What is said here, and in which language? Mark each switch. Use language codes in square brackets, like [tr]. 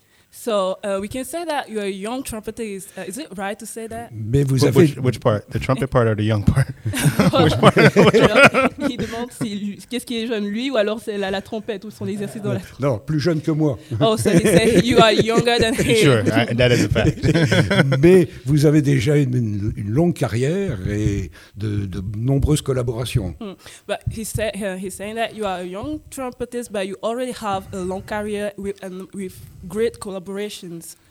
[en] So we can say that you are a young trompettist. Is it right to say that? [fr] Mais vous avez [en] which part, the trumpet part or the young part? [fr] Il demande si qu'est-ce qui est jeune, lui ou alors c'est la trompette ou son exercice dans la trompette. Non, plus jeune que moi. [en] Oh, so they say you are younger than him. Sure, that is a fact. [fr] Mais vous avez déjà une longue carrière et de nombreuses collaborations. Mm. [en] But he's saying that you are a young trumpetist, but you already have a long career with great collaborations.